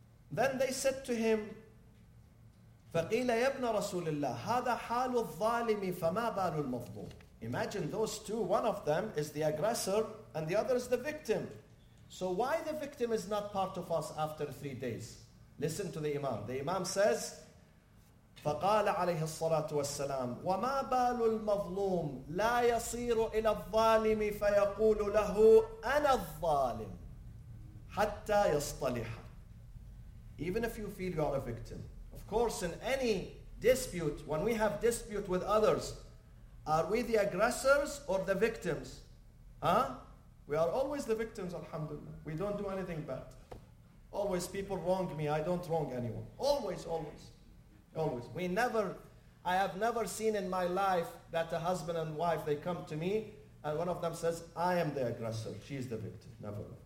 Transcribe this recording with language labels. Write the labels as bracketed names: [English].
[English] Then they said to him, [Arabic] فَقِيلَ يَبْنَ رَسُولِ اللَّهِ هَذَا حَالُ الظَّالِمِ فَمَا بَالُ الْمَظْلُومِ. [English] Imagine those two, one of them is the aggressor and the other is the victim. So why the victim is not part of us after 3 days? Listen to the Imam. The Imam says, [Arabic] فَقَالَ عَلَيْهِ الصَّلَاةُ وَالسَّلَامُ وَمَا بَالُ الْمَظْلُومِ لَا يَصِيرُ إِلَى الظَّالِمِ فَيَقُولُ لَهُ أَنَا الظَّالِمُ حَتَّى يَصْطَلِحَ. [English] Even if you feel you are a victim, of course in any dispute, when we have dispute with others, are we the aggressors or the victims? Huh? We are always the victims, alhamdulillah. We don't do anything bad. Always people wrong me, I don't wrong anyone. Always, always, always. I have never seen in my life that a husband and wife, they come to me and one of them says, I am the aggressor, she's the victim. Never.